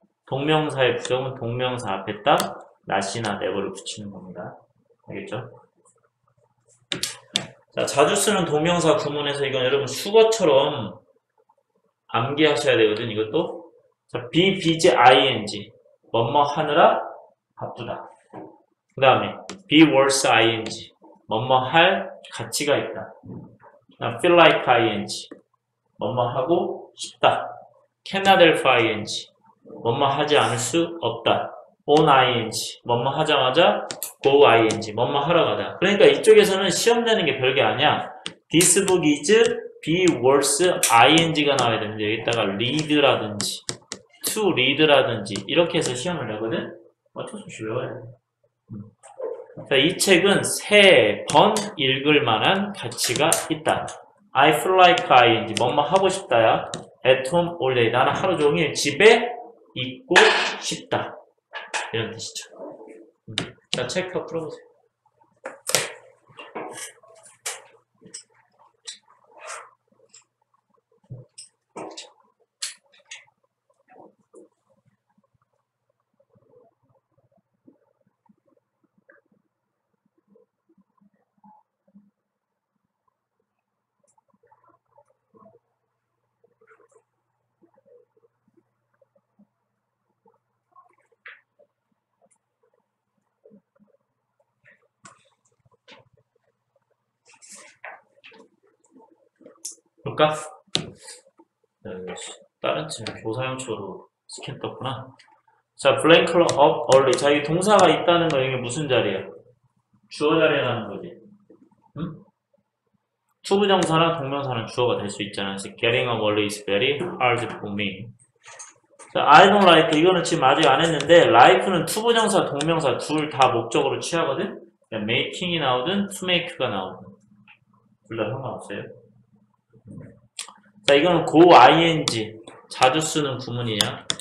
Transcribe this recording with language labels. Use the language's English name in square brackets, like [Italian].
[Korean] 동명사의 부정은 동명사 앞에다 not이나 never를 붙이는 겁니다. 알겠죠? 자, 자주 쓰는 동명사 구문에서 이건 여러분 수거처럼 암기하셔야 되거든, 이것도. 자, be busy, ing. 뭐뭐 하느라 바쁘다. 그 다음에 be worth, ing. 뭐뭐 할 가치가 있다. feel like, ing. 뭐뭐 하고 싶다. cannot help, ing. 뭐뭐 하지 않을 수 없다. on ing, 뭐뭐 하자마자 go ing, 뭐뭐 하러 가다. 그러니까 이쪽에서는 시험 내는 게 별게 아니야. [English] this book is be worth ing [Korean] 가 나와야 되는데 여기다가 read라든지 to read라든지 이렇게 해서 시험을 내거든. 어쩔 수 없이 외워야 돼. 이 책은 세 번 읽을 만한 가치가 있다. [English] I feel like ing, [Korean] 뭐뭐 하고 싶다야. [English] at home all day, [Korean] 나는 하루 종일 집에 있고 싶다. 이런 뜻이죠. 자, 체크 풀어보세요. 볼까? 다른 지금 교사용처로 스캔 떴구나. [English] 자, blank up early. [Korean] 자, 이 동사가 있다는 거, 이게 무슨 자리야? 주어 자리라는 거지. 응? 투부정사나 동명사는 주어가 될 수 있잖아. [English] getting up early is very hard for me. 자, I don't like. [Korean] 이거는 지금 아직 안 했는데, like는 투부정사, 동명사 둘 다 목적으로 취하거든? 그냥 making이 나오든, to make가 나오든. 둘 다 상관없어요. 자, 이거는 go ing, 자주 쓰는 구문이야.